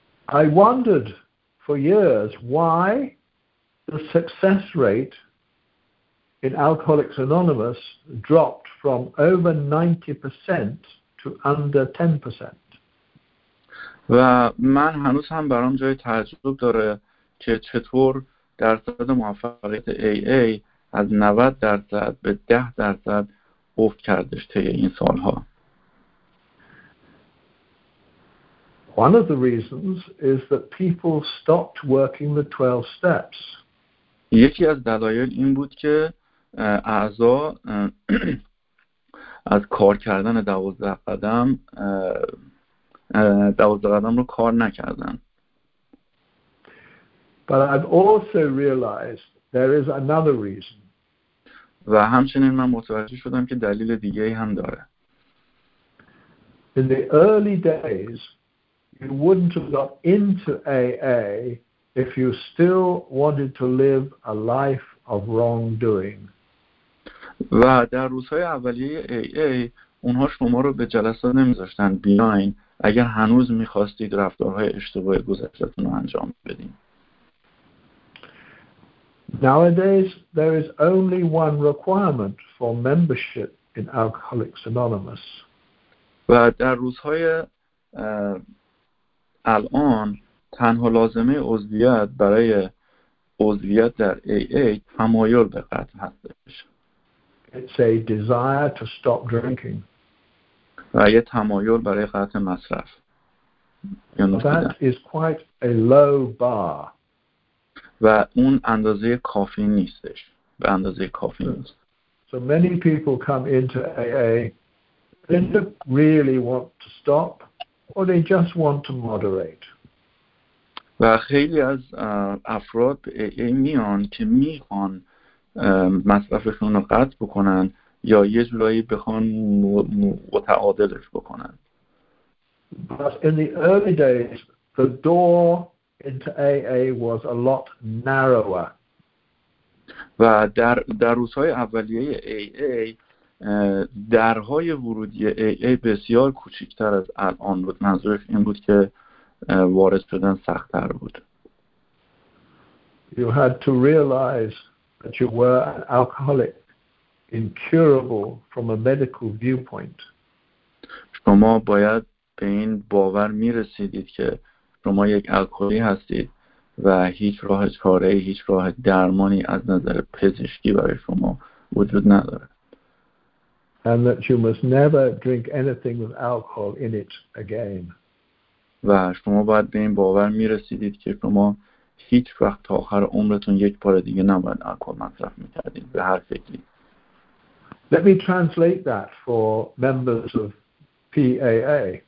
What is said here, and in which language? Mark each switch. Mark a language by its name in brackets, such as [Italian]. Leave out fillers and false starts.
[English] I wondered for years why the success rate in Alcoholics Anonymous dropped from over 90% to under 10%. [Persian] و من هنوز هم برام جای تعجب داره که چطور درصد موفقیت AA از 90% به 10% افت کردش طی این سالها. [English] One of the reasons is that people stopped working the 12 steps. [Persian] یکی از دلایل این بود که اعضا از کار کردن 12 قدم رو کار نکردن. [English] But I've also realized there is another reason. [Persian] و همچنین من متوجه شدم که دلیل دیگه هم داره. [English] In the early days, you wouldn't have got into AA if you still wanted to live a life of wrongdoing. [Persian] و در روزهای اولیه AA اونها شما رو به جلسات نمیذاشتن بیاین اگر هنوز میخواستید رفتارهای اشتباه گذشتتون رو انجام بدین. [English] Nowadays there is only one requirement for membership in Alcoholics Anonymous. [Persian] و در روزهای الان تنها لازمه عضویت برای عضویت در AA تمایل به قطع هستش. [English] It's a desire to stop drinking. [Persian] و یه تمایل برای قطع مصرف. [English] That is quite a low bar. [Persian] و اون اندازه کافی نیستش. به اندازه کافی نیست. [English] So many people come into AA, they don't really want to stop. Or they just want to moderate. [Persian] و خیلی از افراد میان که میخوان مصرفشون رو قطع بکنن یا یه جورایی بخوان متعادلش بکنن. [English] But in the early days, the door into AA was a lot narrower. [Persian] و در روزهای اولیه AA درهای ورودی AA بسیار کوچکتر از الان بود. منظورش این بود که وارد شدن سخت‌تر بود. [English] You had to realize that you were an alcoholic incurable from a medical viewpoint. [Persian] شما باید به این باور می‌رسیدید که شما یک الکلی هستید و هیچ راه چاره‌ای، هیچ راه درمانی از نظر پزشکی برای شما وجود ندارد. [English] And that you must never drink anything with alcohol in it again. [Persian] و شما باید به این باور می‌رسیدید که شما هیچ وقت تا آخر عمرتون یک بار دیگه نباید الکل مصرف می‌کردید به هر شکلی. [English] Let me translate that for members of PAA.